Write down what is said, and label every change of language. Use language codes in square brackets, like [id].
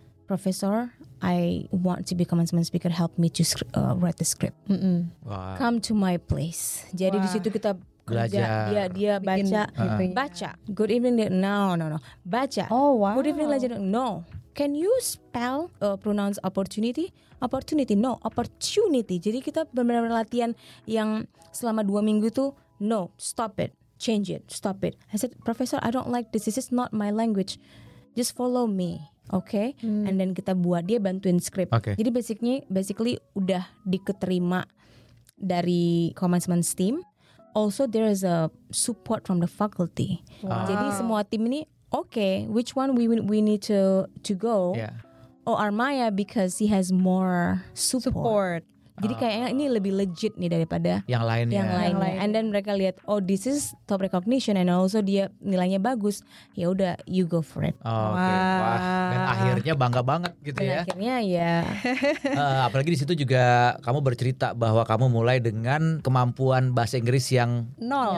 [en] Professor, I want to be commencement speaker. Help me to write the script. Come to my place. [id] Jadi di situ kita belajar. Dia baca. [en] Good evening. No. [id] Baca. [en] Oh wow. Good evening. Legend. No. Can you spell pronounce opportunity? Opportunity. No. Opportunity. [id] Jadi kita benar-benar latihan yang selama 2 minggu itu. [en] No. Stop it. Change it. Stop it. I said, Professor, I don't like this. This is not my language. Just follow me. Okay. And then [id] kita buat, dia bantuin script. [en] Okay. [id] Jadi basically udah diketerima dari commencement team. [en] Also there is a support from the faculty. Wow. [id] Jadi semua tim ini, [en] okay, which one we need to go? Yeah. Oh, Armaya, because he has more support. [id] Jadi kayaknya ini lebih legit nih daripada yang lainnya. [en] And then [id] mereka lihat, [en] oh, this is top recognition and also [id] dia nilainya bagus. Ya udah, [en] you go for it. Oh, okay. [id] Wah. Dan akhirnya bangga banget gitu. Dan ya. Akhirnya ya. Apalagi di situ juga kamu bercerita bahwa kamu mulai dengan kemampuan bahasa Inggris yang nol.